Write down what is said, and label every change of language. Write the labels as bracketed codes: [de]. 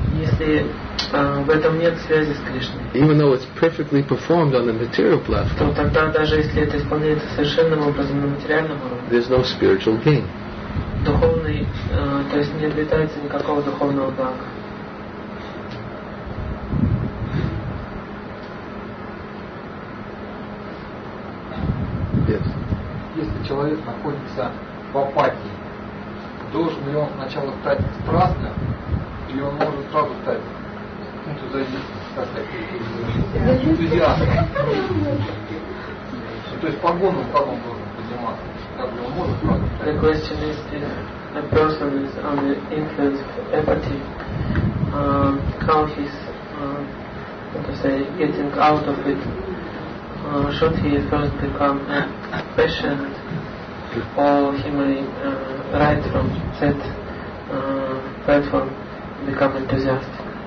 [ru] если в этом нет связи с Кришной, [en] even though it's perfectly performed on the material platform, [ru] то тогда даже если это исполняется совершенным образом на материальном уровне, [en] there's no spiritual gain. [ru] Духовный, то есть не обретается никакого духовного блага. Если человек находится в апатии, должен ли он сначала стать страстным, или он может сразу стать энтузиастом? То есть погоном как он должен подниматься? Как он может сразу стать? [en] The question is, if a person is under influence of apathy, how he's getting out of it? Should he first become patient, or he may write from that platform and become enthusiastic?